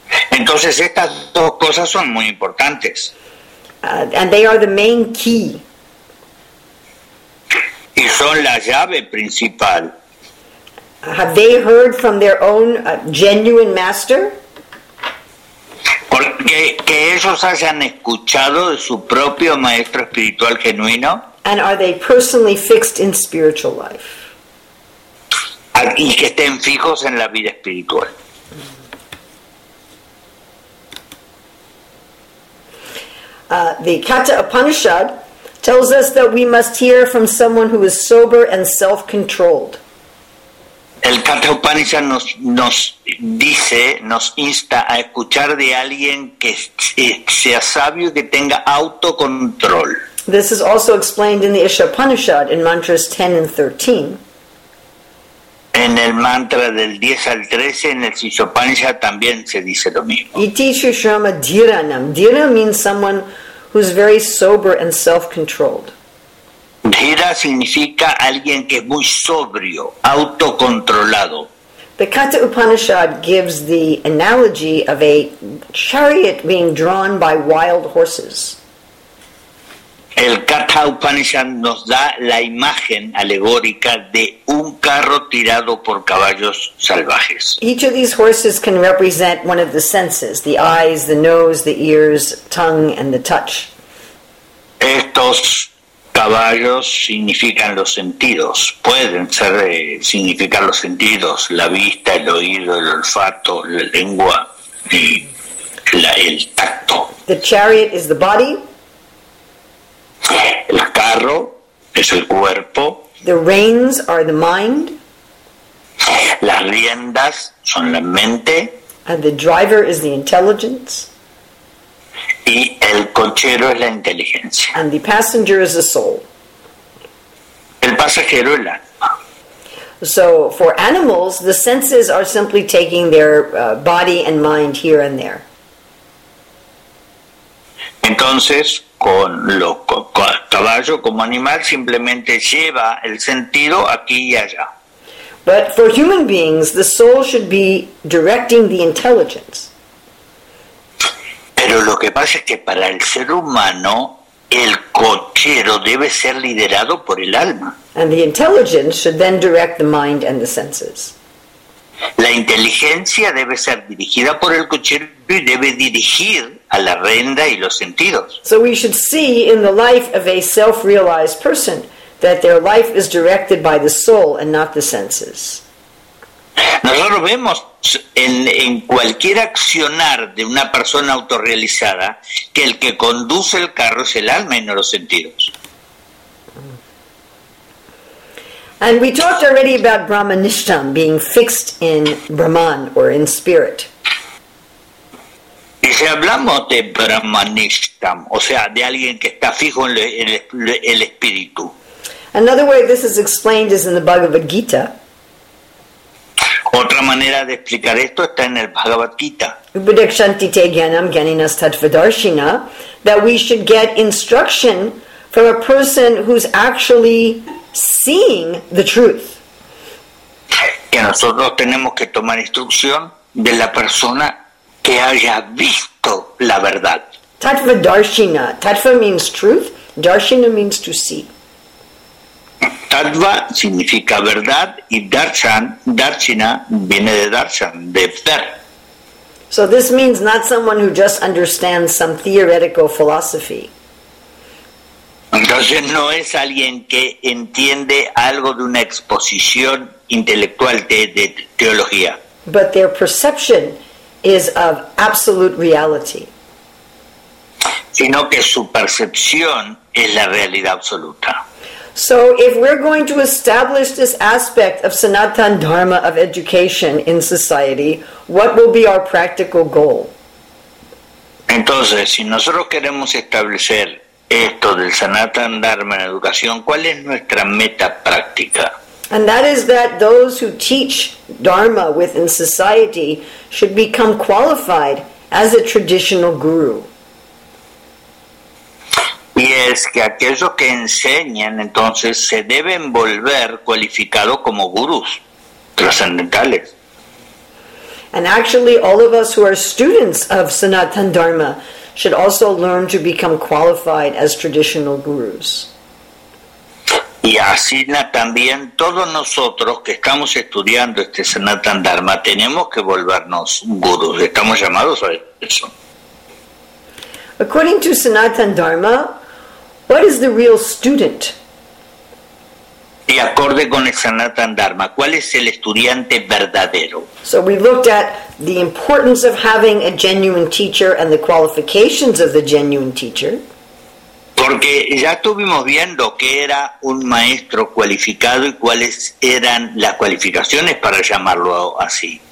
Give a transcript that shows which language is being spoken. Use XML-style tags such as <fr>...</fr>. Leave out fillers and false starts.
<es>Entonces estas dos cosas son muy importantes.</es> <en>And they are the main key.</en> <es>Y son la llave principal.</es> <en>Have they heard from their own genuine master?</en> <es>Porque que ellos hayan escuchado de su propio maestro espiritual genuino.</es> <en>And are they personally fixed in spiritual life?</en> <es>Y que estén fijos en la vida espiritual.</es> <en>The Katha Upanishad tells us that we must hear from someone who is sober and self-controlled.</en> <es>El Katha Upanishad nos dice, nos insta a escuchar de alguien que sea sabio, que tenga autocontrol.</es> <en>This is also explained in the Isha Upanishad in mantras 10 and 13.</en> <es>En el mantra del 10 al 13, en el Isha Upanishad también se dice lo mismo.</es> <sa>Iti Shushrama Dhiranam.</sa> <en>Dhira means someone who's very sober and self-controlled.</en> <es>Dhira significa alguien que es muy sobrio, autocontrolado.</es> <en>The Katha Upanishad gives the analogy of a chariot being drawn by wild horses.</en> <es>El Katha Upanishad nos da la imagen alegórica de un carro tirado por caballos salvajes.</es> <en>Each of these horses can represent one of the senses: the eyes, the nose, the ears, tongue, and the touch.</en> <es>Estos caballos significan los sentidos. Pueden ser significar los sentidos: la vista, el oído, el olfato, la lengua y el tacto.</es> <en>The chariot is the body.</en> <es>El carro es el cuerpo.</es> <en>The reins are the mind.</en> <es>Las riendas son la mente.</es> <en>And the driver is the intelligence.</en> <es>Y el cochero es la inteligencia.</es> <en>And the passenger is the soul. pasa que rula. So for animals, the senses are simply taking their body and mind here and there.</en> <es>Entonces, con lo caballo como animal simplemente lleva el sentido aquí y allá.</es> <en>But for human beings, the soul should be directing the intelligence.</en> <es>Pero lo que pasa es que para el ser humano, el cochero debe ser liderado por el alma.</es> <en>And the intelligence should then direct the mind and the senses.</en> <es>La inteligencia debe ser dirigida por el cochero y debe dirigir a la rienda y los sentidos.</es> <en>So we should see in the life of a self-realized person that their life is directed by the soul and not the senses.</en> <es>Nosotros vemos en cualquier accionar de una persona autorrealizada que el que conduce el carro es el alma y no los sentidos.</es> <en>And we talked already about Brahmanishtam being fixed in Brahman or in spirit.</en> <es>Y si hablamos de Brahmanishtam, o sea, de alguien que está fijo en el espíritu.</es> <en>Another way this is explained is in the Bhagavad Gita.</en> <es>Otra manera de explicar esto está en el Bhagavad Gita.</es> <sa>Upadekshanti te gyanam gyaninas tatvadarshina,</sa> <en>that we should get instruction from a person who's actually seeing the truth.</en> <es>Que nosotros tenemos que tomar instrucción de la persona que haya visto la verdad.</es> <en>Tatvadarshina. Tatva means truth. Darshina means to see.</en> <es>Tatva significa verdad y darshan, darshina, viene de darshan, de ver.</es> <en>So this means not someone who just understands some theoretical philosophy.</en> <es>Entonces no es alguien que entiende algo de una exposición intelectual de teología.</es> <en>But their perception is of absolute reality.</en> <es>Sino que su percepción es la realidad absoluta.</es> <en>So if we're going to establish this aspect of Sanatan Dharma of education in society, what will be our practical goal?</en> <es>Entonces, si nosotros queremos establecer esto del Sanatan Dharma en educación, ¿cuál es nuestra meta práctica?</es> <en>And that is that those who teach Dharma within society should become qualified as a traditional guru.</en> <es>Y es que aquellos que enseñan entonces se deben volver cualificados como gurús trascendentales.</es> <en>And actually all of us who are students of Sanatan Dharma should also learn to become qualified as traditional gurus.</en> <es>Y así también todos nosotros que estamos estudiando este Sanatan Dharma tenemos que volvernos gurús, estamos llamados a eso.</es> <en>According to Sanatan Dharma, what is the real student?</en> <es>Y acorde con el Sanatan Dharma, ¿cuál es el estudiante verdadero?</es> <en>So we looked at the importance of having a genuine teacher and the qualifications of the genuine teacher.</en> <es>Porque ya estuvimos viendo qué era un maestro cualificado y cuáles eran las cualificaciones para llamarlo así,</es>